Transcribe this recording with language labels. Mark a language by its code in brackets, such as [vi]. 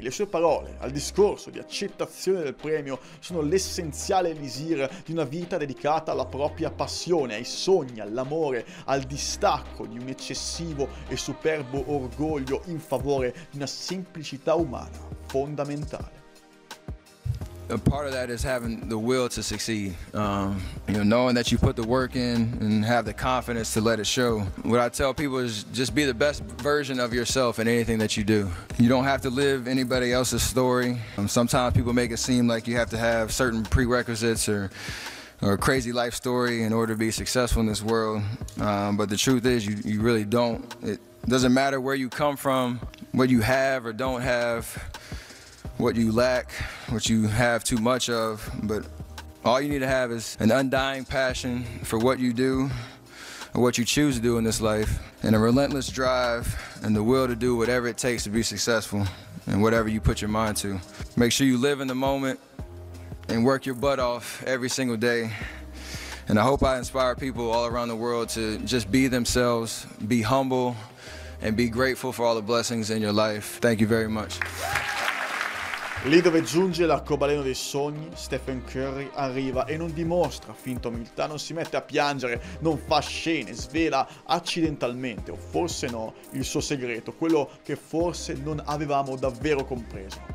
[it] Le sue parole al discorso di accettazione del premio sono l'essenziale elisir di una vita dedicata alla propria passione, ai sogni, all'amore, al distacco di un eccessivo e superbo orgoglio in favore di una semplicità umana fondamentale. [en] A part of that is having the will to succeed, you know, knowing that you put the work in and have the confidence to let it show. What I tell people is just be the best version of yourself in anything that you do. You don't have to live anybody else's story. Sometimes people make it seem like you have to have certain prerequisites or a crazy life story in order to be successful in this world. But the truth is you really don't. It doesn't matter where you come from, what you have or don't have, what you lack, what you have too much of, but all you need to have is an undying passion for what you do or what you choose to do in this life, and a relentless drive and the will to do whatever it takes to be successful and whatever you put your mind to. Make sure you live in the moment and work your butt off every single day. And I hope I inspire people all around the world to just be themselves, be humble, and be grateful for all the blessings in your life. Thank you very much. [it] Lì dove giunge l'arcobaleno dei sogni, Stephen Curry arriva e non dimostra finta umiltà, non si mette a piangere, non fa scene, svela accidentalmente, o forse no, il suo segreto, quello che forse non avevamo davvero compreso.